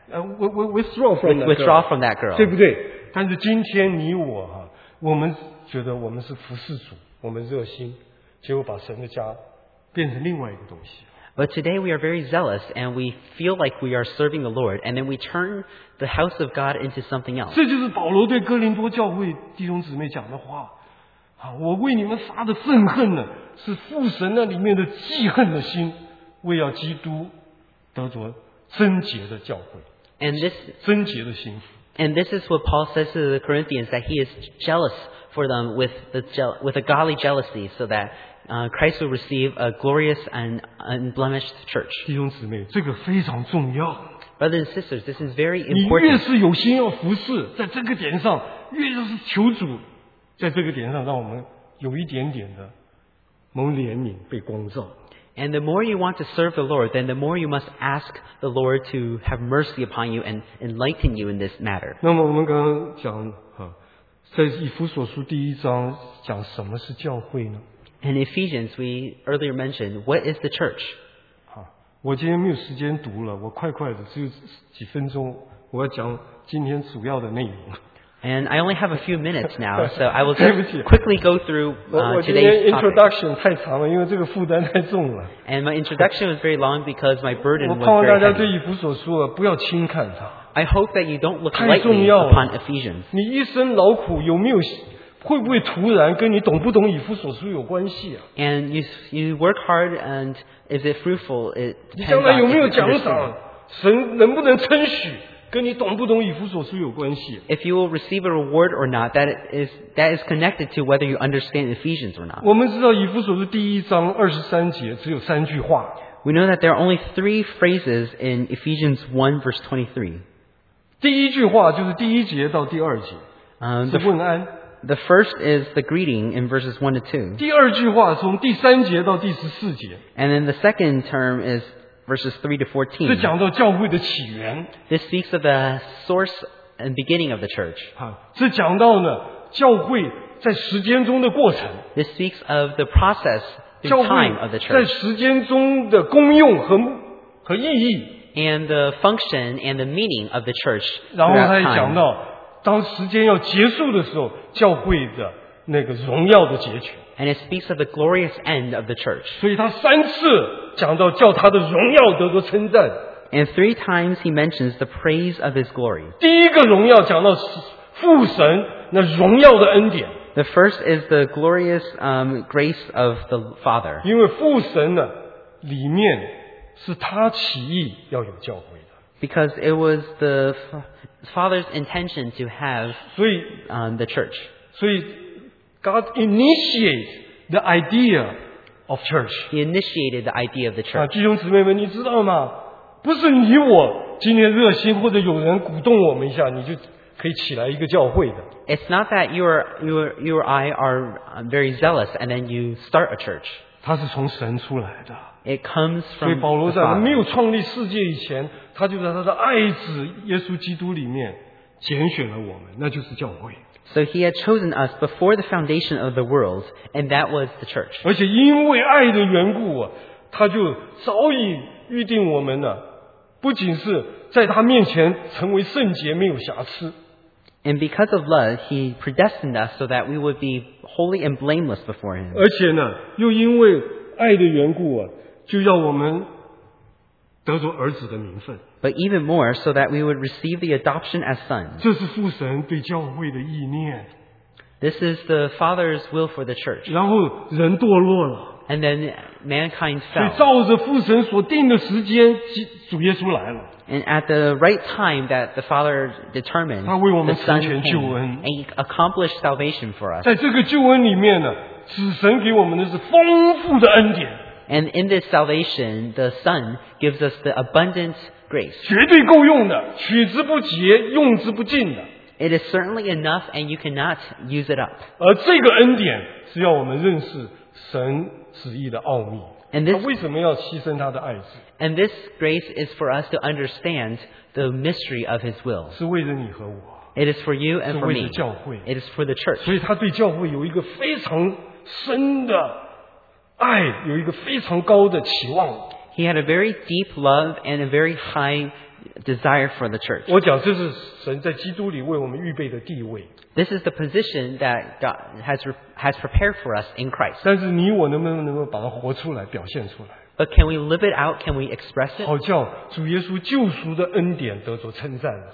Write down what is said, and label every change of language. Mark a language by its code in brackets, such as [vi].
[en] Withdraw from that girl. [zh] 对不对？但是今天你我哈，我们觉得我们是服侍主，我们热心，结果把神的家变成另外一个东西。 [en] But today we are very zealous and we feel like we are serving the Lord and then we turn the house of God into something else. [zh] 这就是保罗对哥林多教会弟兄姊妹讲的话。我为你们杀的愤恨呢，是父神那里面的记恨的心，为要基督得着贞洁的教会，贞洁的心腹。 [en] And this is what Paul says to the Corinthians, that he is jealous for them with a godly jealousy, so that Christ will receive a glorious and unblemished church. [zh] 弟兄姊妹，这个非常重要。 [en] Brothers and sisters, this is very important. [zh] 你越是有心要服侍，在这个点上，越是求主。在这个点上，让我们有一点点的蒙怜悯，被光照。 [en] And the more you want to serve the Lord, then the more you must ask the Lord to have mercy upon you and enlighten you in this matter. [zh] 那么我们刚刚讲哈，在以弗所书第一章讲什么是教会呢 [en] ？In Ephesians, we earlier mentioned what is the church. [zh] 我今天没有时间读了，我快快的，只有几分钟，我要讲今天主要的内容。 [en] And I only have a few minutes now, so I will just quickly go through today's topic. [zh] Introduction 太长了，因为这个负担太重了。 [en] And my introduction was very long because my burden was very heavy. [zh] 我盼望大家对以弗所书不要轻看它。 [en] I hope that you don't look lightly upon Ephesians. [zh] 你一生劳苦有没有会不会突然跟你懂不懂以弗所书有关系啊 [en] ？And you work hard, and is it fruitful? It [zh] 你将来有没有奖赏？神能不能称许？跟你懂不懂以弗所书有关系。 [en] If you will receive a reward or not, that is connected to whether you understand Ephesians or not. [zh] 我们知道以弗所书第一章二十三节只有三句话。 [en] We know that there are only three phrases in Ephesians 1 verse 23. [zh] 第一句话就是第一节到第二节，是问安。 [en] The first is the greeting in verses 1 to 2. [zh] 第二句话从第三节到第十四节。 [en] And then the second term is Verses 3 to 14. [zh] 这讲到教会的起源。 [en] This speaks of the source and beginning of the church. [zh] 这讲到呢，教会在时间中的过程。 [en] This speaks of the process through time of the church. [zh] 教会在时间中的功用和意义。 [en] And the function and the meaning of the church. [zh] 然后他也讲到，当时间要结束的时候，教会的那个荣耀的结局。 [en] And it speaks of the glorious end of the church. [zh] 所以他三次讲到叫他的荣耀得着称赞。 [en] And three times he mentions the praise of his glory. [zh] 第一个荣耀讲到父神那荣耀的恩典。 [en] The first is the glorious grace of the Father. [zh] 因为父神呢里面是他起意要有教会的。 [en] Because it was the Father's intention to have the church. [zh] 所以 [en] God initiated the idea of church. He initiated the idea of the church. [zh] 弟兄姊妹们，你知道吗？不是你我今天热心，或者有人鼓动我们一下，你就可以起来一个教会的。 [en] It's not that you or I are very zealous and then you start a church. [zh] 它是从神出来的。 [en] It comes from. [zh] 所以保罗在没有创立世界以前，他就在他的爱子耶稣基督里面拣选了我们，那就是教会。 [en] So he had chosen us before the foundation of the world, and that was the church. [zh] 而且因为爱的缘故啊，他就早已预定我们了，不仅是在他面前成为圣洁没有瑕疵。 [en] And because of love, he predestined us so that we would be holy and blameless before him. [zh] 而且呢，又因为爱的缘故啊，就要我们得着儿子的名分。 [en] But even more, so that we would receive the adoption as sons. [zh] 这是父神对教会的意念。 [en] This is the Father's will for the church. [zh] 然后人堕落了。 [en] And then mankind fell. [zh] 所以照着父神所定的时间，主耶稣来了。 [en] And at the right time that the Father determined, [zh] 他为我们成全救恩。 [en] And he accomplished salvation for us. [zh] 在这个救恩里面呢，子神给我们的是丰富的恩典。 [en] And in this salvation, the Son gives us the abundant grace. [zh] 绝对够用的，取之不竭，用之不尽的。 [en] It is certainly enough, and you cannot use it up. [zh] 而这个恩典是要我们认识神旨意的奥秘。 [en] And this, [zh] 他为什么要牺牲他的爱子？ [en] And this grace is for us to understand the mystery of His will. [zh] 是为了你和我。 [en] It is for you and for me. It is for the church. [zh] 所以他对教会有一个非常深的爱，有一个非常高的期望。 [en] He had a very deep love and a very high desire for the church. [zh] 我讲这是神在基督里为我们预备的地位。 [en] This is the position that God has prepared for us in Christ. [zh] 但是你我能不能把它活出来，表现出来？ [en] But can we live it out? Can we express it? [zh] 好叫主耶稣救赎的恩典得着称赞。